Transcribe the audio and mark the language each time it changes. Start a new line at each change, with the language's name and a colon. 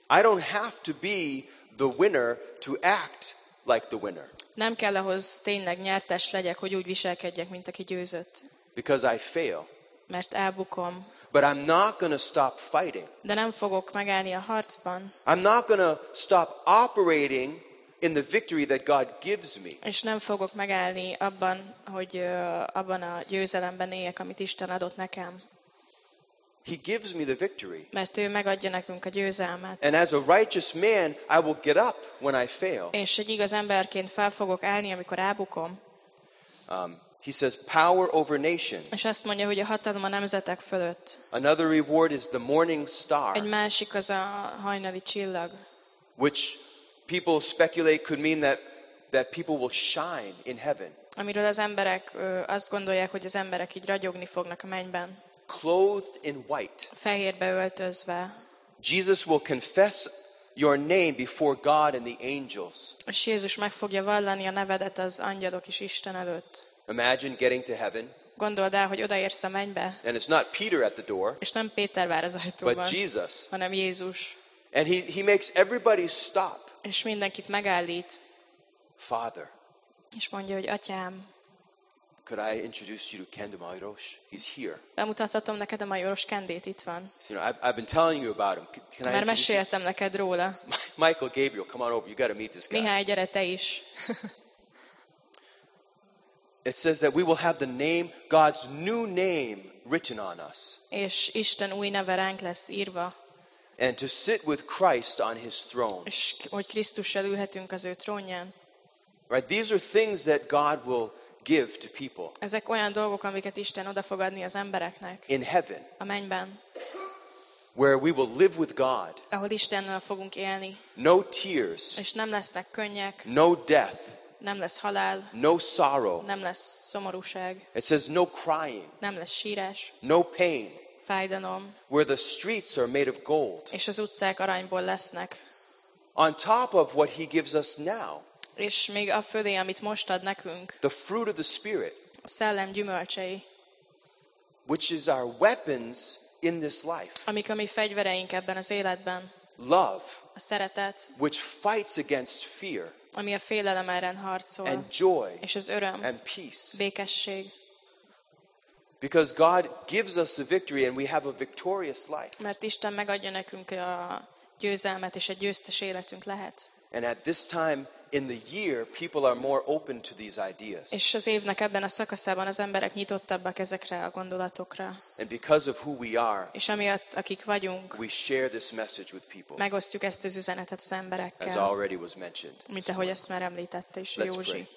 English: I don't have to be the winner to act like the winner.
Hungarian: Nem kell ahhoz tényleg nyertes legyek, hogy úgy viselkedjek, mint aki győzött.
English: Because I fail.
Hungarian: Mert elbukom.
English: But I'm not gonna stop fighting.
Hungarian: De nem fogok megállni a harcban.
English: I'm not gonna stop operating in the victory that God gives me.
Hungarian: És nem fogok megállni abban, hogy abban a győzelemben éljek, amit Isten adott nekem.
English: He gives me the victory.
Hungarian: Mert ő megadja nekünk a győzelmet.
English: And as a righteous man, I will get up when I fail.
Hungarian: És egy igaz emberként fel fogok állni, amikor elbukom.
English: He says power over nations.
Hungarian: És azt mondja, hogy a hatalom a nemzetek fölött.
English: Another reward is the morning star.
Hungarian: Egy másik az a hajnali csillag.
English: Which people speculate could mean that people will shine in heaven.
Hungarian: Amiről az emberek azt gondolják, hogy az emberek így ragyogni fognak a mennyben.
English: Clothed in white.
Hungarian: Fehérbe öltözve.
English: Jesus will confess your name before God and the angels.
Hungarian: És Jézus meg fogja vallani a nevedet az angyalok és Isten előtt.
English: Imagine getting to heaven.
Hungarian: Gondold el, hogy odaérsz a mennybe.
English: And it's not Peter at the door.
Hungarian: És nem Péter vár az ajtóban.
English: But Jesus.
Hungarian: Hanem Jézus.
English: And he makes everybody stop.
Hungarian: És mindenkit megállít.
English: Father.
Hungarian: És mondja, hogy atyám.
English: Could I introduce you to Kendo Mairos? He's here.
Hungarian: Bemutathatom neked a Mairos Kendét, itt van.
English: You know, I've been telling you about him. Can
Hungarian: I? Már meséltem neked róla.
English: Michael Gabriel, come on over. You got to meet this guy.
Hungarian: Mihály, gyere te is.
English: It says that we will have the name, God's new name, written on us.
Hungarian: És Isten új neve ránk lesz írva.
English: And to sit with Christ on His throne.
Hungarian: És hogy Krisztussal ülhetünk az ő trónján.
English: Right, these are things that God will give to people.
Hungarian: Ezek olyan dolgok, amiket Isten oda fog adni az embereknek.
English: In heaven.
Hungarian: A mennyben.
English: Where we will live with God.
Hungarian: Ahol Istennel fogunk élni.
English: No tears.
Hungarian: És nem lesznek könnyek.
English: No death.
Hungarian: Nem lesz halál.
English: No sorrow.
Hungarian: Nem lesz szomorúság.
English: It says no crying.
Hungarian: Nem lesz sírás.
English: No pain.
Hungarian: Fájdalom.
English: Where the streets are made of gold.
Hungarian: És az utcák aranyból lesznek.
English: On top of what He gives us now.
Hungarian: És még a fölé, amit most ad nekünk.
English: The fruit of the Spirit.
Hungarian: A szellem gyümölcsei.
English: Which is our weapons in this life.
Hungarian: Amik a mi fegyvereink ebben az életben.
English: Love.
Hungarian: A szeretet.
English: Which fights against fear.
Hungarian: Ami a félelem ellen harcol.
English: And joy.
Hungarian: És az öröm.
English: And peace.
Hungarian: Békesség.
English: Because God gives us the victory and we have a victorious life.
Hungarian: Mert Isten megadja nekünk a győzelmet és egy győztes életünk lehet.
English: And at this time in the year, people are more open to these ideas.
Hungarian: És az évnek ebben a szakaszában az emberek nyitottabbak ezekre a gondolatokra.
English: And because of who we are,
Hungarian: és amiatt, akik vagyunk,
English: we share this message with people.
Hungarian: Megosztjuk ezt az üzenetet az emberekkel.
English: As already was mentioned.
Hungarian: Mint ahogy ezt már említette is Józsi.